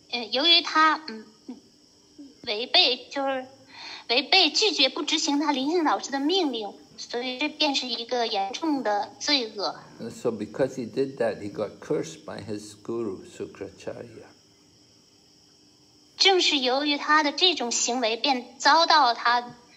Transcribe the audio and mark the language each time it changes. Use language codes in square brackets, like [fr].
[zh] 由于他违背拒绝不执行他灵性老师的命令，所以这便是一个严重的罪恶。 [en] So because he did that, he got cursed by his guru, Shukracharya. [zh] 正是由于他的这种行为，便遭到他